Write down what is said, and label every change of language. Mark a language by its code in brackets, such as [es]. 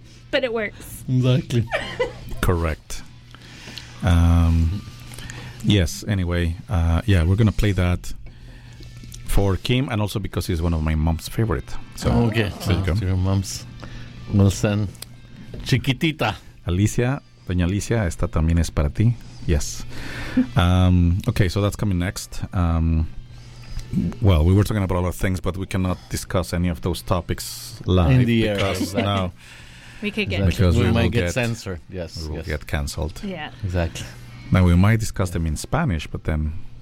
[en] But it works. Exactly. Correct. Yes. Anyway, we're gonna play that for Kim, and also because he's one of my mom's favorite. So okay, there you go. To your mom's, we'll send Chiquitita. [es] Alicia, Doña Alicia, esta también es para ti. [en] Yes. Okay, so that's coming next. Well, we were talking about a lot of things, but we cannot discuss any of those topics live. In the air, exactly. No. We might get censored. Yes, we will yes. get canceled. Yeah, exactly. Now we might discuss them in Spanish, but then.